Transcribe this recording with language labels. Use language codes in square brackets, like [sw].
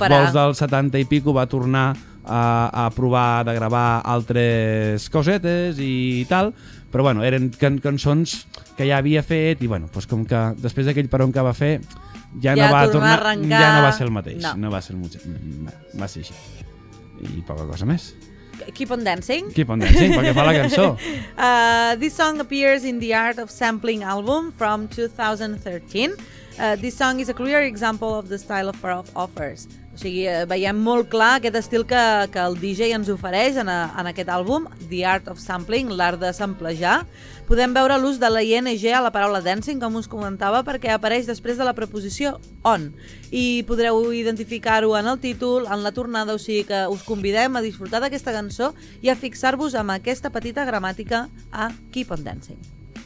[ca] vols del 70 i pico va tornar a provar de gravar altres cosetes i tal, però bueno, eren cançons que ja havia fet i com que després d'aquell peron que va fer... Ja no va tornar a arrencar... Ja no va ser el mateix. No va ser el mateix. Va ser així. I poca cosa més. [en] Keep on Dancing. [ca] Keep on Dancing, perquè fa la cançó. [en] This song appears in the Art of Sampling album from 2013. This song is a clear example of the style of Parov offers. [ca] O sigui, veiem molt clar aquest estil que el DJ ens ofereix en aquest àlbum, The Art of Sampling, l'art de samplejar. Podem veure l'ús de la ING a la paraula dancing, com us comentava, perquè apareix després de la preposició on. I podreu identificar-ho en el títol, en la tornada, o sigui que us convidem a disfrutar d'aquesta cançó i a fixar-vos amb aquesta petita gramàtica a Keep on Dancing.